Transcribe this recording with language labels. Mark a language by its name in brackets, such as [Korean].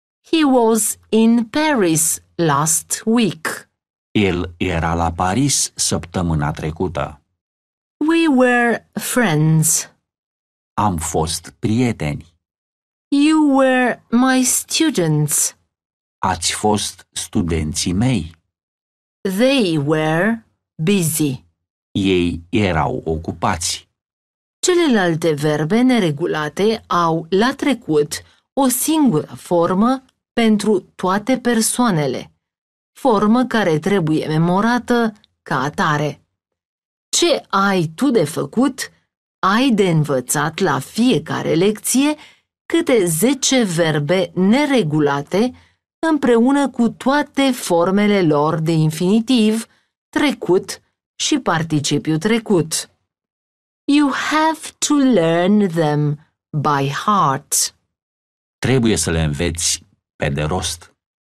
[English] He was in Paris last week. [Romanian] El era la Paris săptămâna trecută. [English] We were friends. [Romanian] Am fost prieteni. [English] You were my students. [Romanian] Ați fost studenții mei. [English] They were busy. [Romanian] Ei erau ocupați. Celelalte verbe neregulate au la trecut o singură formă pentru toate persoanele, formă care trebuie memorată ca atare. Ce ai tu de făcut? Ai de învățat la fiecare lecție câte 10 verbe neregulate împreună cu toate formele lor de infinitiv, trecut și participiu trecut. [English] You have to learn them by heart. [Romanian] Trebuie să le înveți pe de rost.